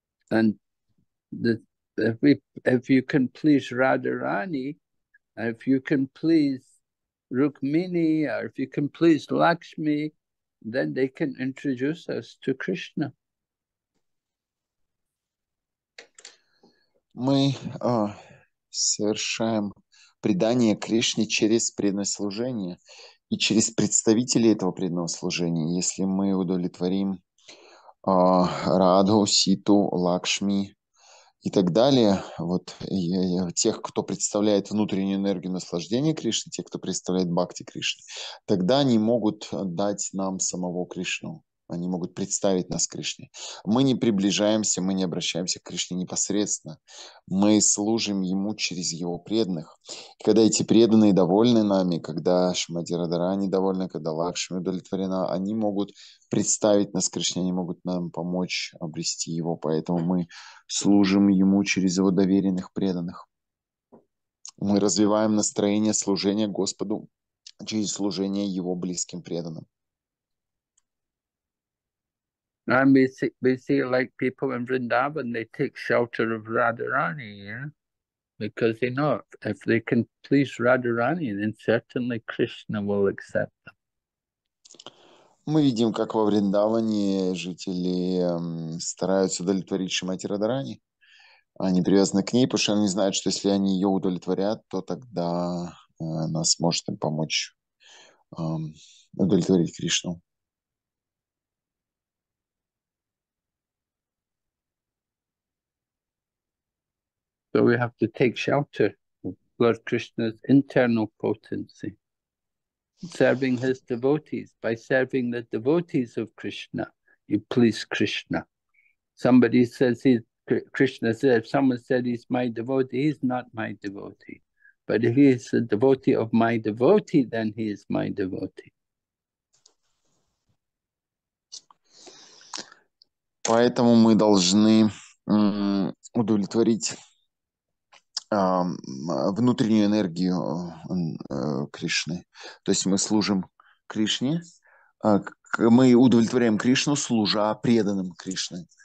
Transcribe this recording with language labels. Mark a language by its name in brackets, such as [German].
[English] And if you can please Radharani, if you can please Rukmini, or if you can please Lakshmi, then they can introduce us to Krishna. [Russian] Мы совершаем предание Кришне через преданное служение. И через представителей этого преданного служения, если мы удовлетворим Раду, Ситу, Лакшми и так далее, вот тех, кто представляет внутреннюю энергию наслаждения Кришны, тех, кто представляет Бхакти Кришны, тогда они могут дать нам самого Кришну, они могут представить нас Кришне. Мы не приближаемся, мы не обращаемся к Кришне непосредственно. Мы служим Ему через Его преданных. И когда эти преданные довольны нами, когда Шримати Радхарани довольна, когда Лакшми удовлетворена, они могут представить нас Кришне, они могут нам помочь обрести Его. Поэтому мы служим Ему через Его доверенных преданных. Мы развиваем настроение служения Господу через служение Его близким преданным. [English] And we see like people in Vrindavan, they take shelter of Radharani, yeah? Because they know if they can please Radharani, then certainly Krishna will accept them. [Russian] Мы видим, как во Вриндаване жители стараются удовлетворить Шримати Радхарани. Они привязаны к ней, потому что они знают, что если они ее удовлетворят, то тогда она сможет им помочь удовлетворить Кришну. [English] So we have to take shelter of Lord Krishna's internal potency, serving his devotees. By serving the devotees of Krishna, you please Krishna. Somebody says he's, Krishna says, if someone said he's my devotee, he's not my devotee. But if he is a devotee of my devotee, then he is my devotee. [Russian] Поэтому мы должны удовлетворить внутреннюю энергию Кришны. То есть мы служим Кришне, мы удовлетворяем Кришну, служа преданным Кришне.